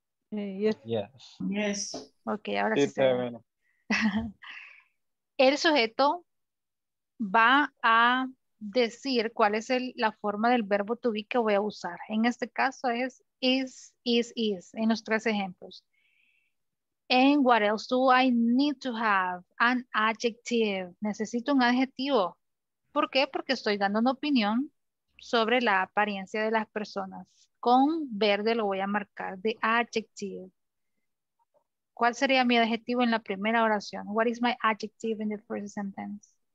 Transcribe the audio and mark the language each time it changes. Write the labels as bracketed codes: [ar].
[en] Yes. [es] Ok, ahora sí. Se el sujeto va a decir cuál es la forma del verbo to be que voy a usar. En este caso es is, en los tres ejemplos. [en] And what else do I need to have? An adjective. [es] Necesito un adjetivo. ¿Por qué? Porque estoy dando una opinión sobre la apariencia de las personas. Con verde lo voy a marcar, [en] the adjective. [es] ¿Cuál sería mi adjetivo en la primera oración? [en] What is my adjective in the first sentence?